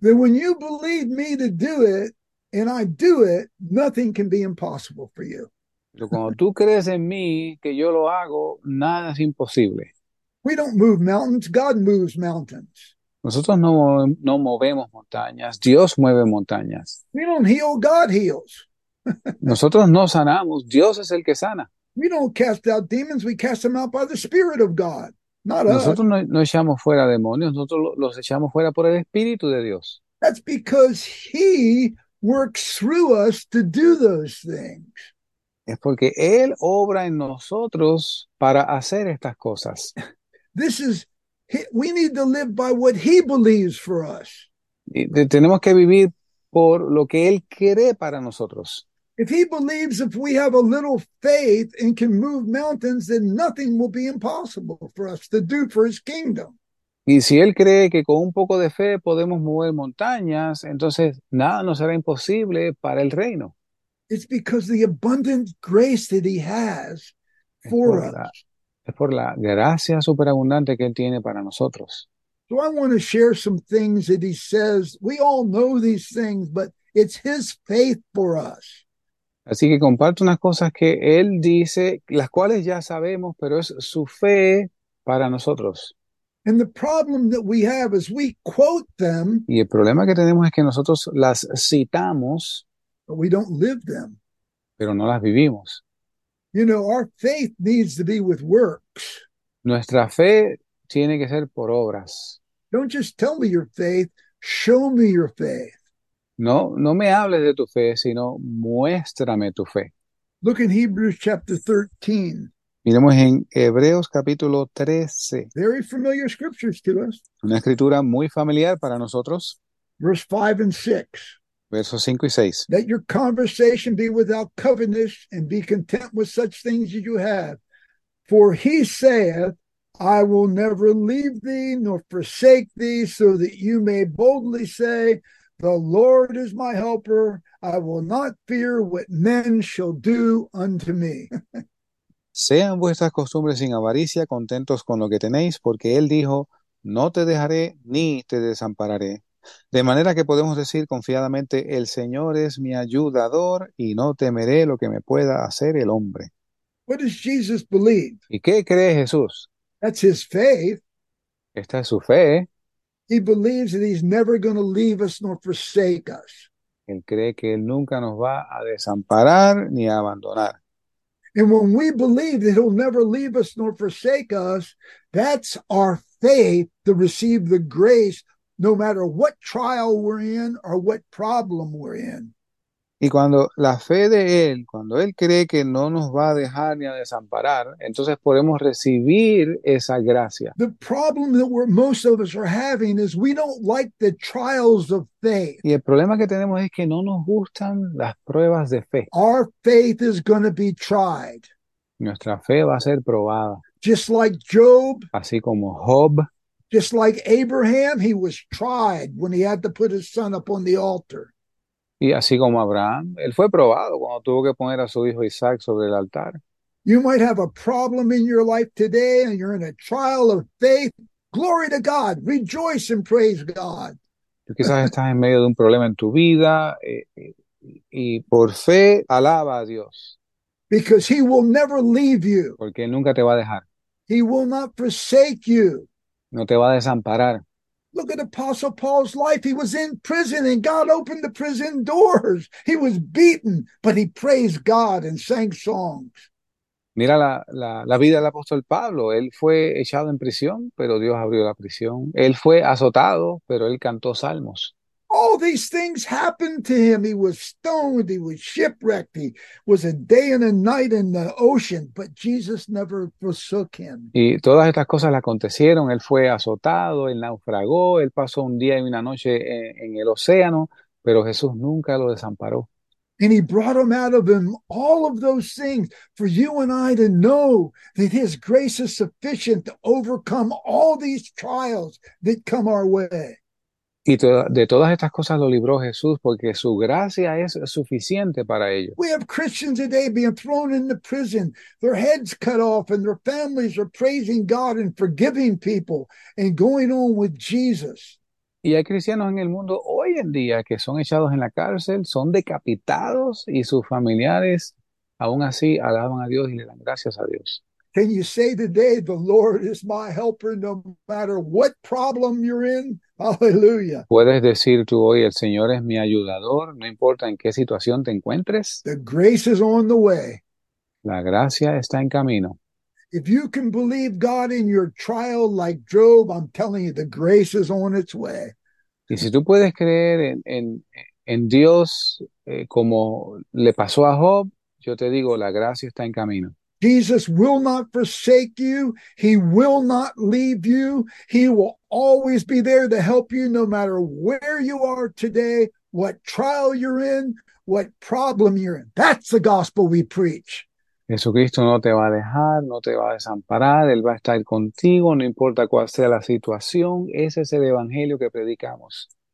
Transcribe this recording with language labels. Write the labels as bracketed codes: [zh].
[en] That when you believe me to do it, and I do it, nothing can be impossible for you. [es] Pero cuando tú crees en mí, que yo lo hago, nada es imposible. [en] We don't move mountains, God moves mountains. [es] Nosotros no movemos montañas, Dios mueve montañas. [en] We don't heal, God heals. [es] Nosotros no sanamos, Dios es el que sana. [en] We don't cast out demons, we cast them out by the Spirit of God, not [es] Nosotros [en] us. [es] No echamos fuera demonios, nosotros los echamos fuera por el Espíritu de Dios. [en] That's because he works through us to do those things. [es] Es porque Él obra en nosotros para hacer estas cosas. [en] This is, we need to live by what he believes for us. [es] Tenemos que vivir por lo que Él cree para nosotros. [en] If he believes if we have a little faith and can move mountains, then nothing will be impossible for us to do for his kingdom. [es] Y si Él cree que con un poco de fe podemos mover montañas, entonces nada nos será imposible para el reino. [en] It's because the abundant grace that he has for us. [es] Es por la gracia superabundante que él tiene para nosotros. [en] So I want to share some things that he says. We all know these things, but it's his faith for us. [es] Así que comparto unas cosas que él dice, las cuales ya sabemos, pero es su fe para nosotros. [en] And the problem that we have is we quote them. [es] Y el problema que tenemos es que nosotros las citamos, [en] but we don't live them. [es] pero no las vivimos. [en] You know, our faith needs to be with works. [es] Nuestra fe tiene que ser por obras. [en] Don't just tell me your faith, show me your faith. [es] No me hables de tu fe, sino muéstrame tu fe. [en] Look in Hebrews chapter 13. [es] Miremos en Hebreos capítulo 13. [en] Very familiar scriptures to us. [es] Una escritura muy familiar para nosotros. [en] Verse 5 and 6. [es] Versos 5 y 6. [en] Let your conversation be without covetousness and be content with such things as you have. For he saith, I will never leave thee nor forsake thee, so that you may boldly say, the Lord is my helper. I will not fear what men shall do unto me. [es] Sean vuestras costumbres sin avaricia, contentos con lo que tenéis, porque él dijo, no te dejaré ni te desampararé. De manera que podemos decir confiadamente, el Señor es mi ayudador y no temeré lo que me pueda hacer el hombre. [en] What does Jesus believe? [es] ¿Y qué cree Jesús? [en] That's his faith. [es] Esta es su fe. [en] He believes that he's never going to leave us nor forsake us. [es] Él cree que él nunca nos va a desamparar ni a abandonar. [en] And when we believe that he'll never leave us nor forsake us, that's our faith to receive the grace no matter what trial we're in or what problem we're in. [es] Y cuando la fe de él, cuando él cree que no nos va a dejar ni a desamparar, entonces podemos recibir esa gracia. [en] The problem that we're, most of us are having is we don't like the trials of faith. [es] Y el problema que tenemos es que no nos gustan las pruebas de fe. [en] Our faith is going to be tried. [es] Nuestra fe va a ser probada. [en] Just like Job. [es] Así como Job. [en] Just like Abraham, he was tried when he had to put his son up on the altar. [es] Y así como Abraham, él fue probado cuando tuvo que poner a su hijo Isaac sobre el altar. [en] You might have a problem in your life today and you're in a trial of faith. Glory to God. Rejoice and praise God. [es] Tú quizás estás en medio de un problema en tu vida y por fe alaba a Dios. [en] Because he will never leave you. [es] Porque nunca te va a dejar. [en] He will not forsake you. [es] No te va a desamparar. [en] Look at Apostle Paul's life. He was in prison and God opened the prison doors. He was beaten, but he praised God and sang songs. [es] Mira la vida del apóstol Pablo. Él fue echado en prisión, pero Dios abrió la prisión. Él fue azotado, pero él cantó salmos. [en] All these things happened to him. He was stoned. He was shipwrecked. He was a day and a night in the ocean, but Jesus never forsook him. [es] Y todas estas cosas le acontecieron. Él fue azotado, él naufragó, él pasó un día y una noche en el océano, pero Jesús nunca lo desamparó. [en] And he brought him out of him, all of those things, for you and I to know that his grace is sufficient to overcome all these trials that come our way. [es] Y de todas estas cosas lo libró Jesús porque su gracia es suficiente para ello. [en] We have Christians today being thrown into prison, their heads cut off, and their families are praising God and forgiving people and going on with Jesus. [es] Y hay cristianos en el mundo hoy en día que son echados en la cárcel, son decapitados y sus familiares aún así alaban a Dios y le dan gracias a Dios. [en] Can you say today, the Lord is my helper, no matter what problem you're in? Hallelujah. [es] Puedes decir tú hoy, el Señor es mi ayudador, no importa en qué situación te encuentres. [en] The grace is on the way. [es] La gracia está en camino. [en] If you can believe God in your trial like Job, I'm telling you, the grace is on its way. [es] Y si tú puedes creer en Dios, como le pasó a Job, yo te digo, la gracia está en camino. [en] Jesus will not forsake you. He will not leave you. He will always be there to help you no matter where you are today, what trial you're in, what problem you're in. That's the gospel we preach. [es] Jesucristo no te va a dejar, no te va a desamparar, Él va a estar contigo, no importa cuál sea la situación, ese es el evangelio que predicamos.